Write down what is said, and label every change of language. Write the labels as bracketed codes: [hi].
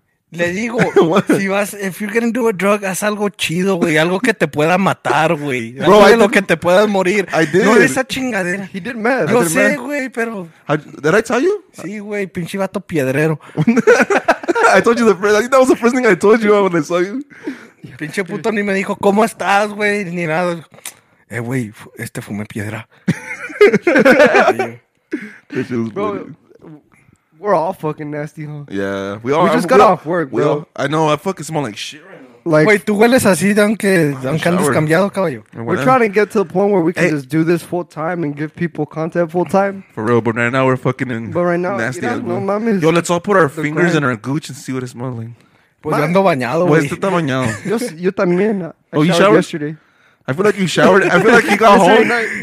[es] Le digo, si vas, [en] if you're gonna do a drug, [es] haz algo chido, güey. Algo que te pueda matar, güey. Algo de lo que te puedas morir. [en] I did. [es] No, esa chingadera. [en] He did mad. [es] Yo sé, güey, pero... [en] Did I tell you? [es] Sí, güey, pinche vato piedrero. [en] I told you the first... I think that was the first thing I told you when I saw you. [es] Pinche puto ni me dijo, ¿cómo estás, güey? Ni nada. Güey, este fumé piedra. [en] This shit was funny. We're all fucking nasty, huh? Yeah. We just got off work, bro. I know. I fucking smell like shit right now. Like, wait, [es] tú hueles así, aunque andes cambiado, caballo. [en] We're trying to get to the point where we can just do this full time and give people content full time. For real, but right now we're fucking in but right now, nasty. You know, no, yo, let's all put our fingers in our gooch and see what it's smelling. Like. [es] Pues yo ando bañado, güey. Pues tú estás bañado. Yo también. [en] I showered yesterday. I feel like you showered. I feel like he got home. Night.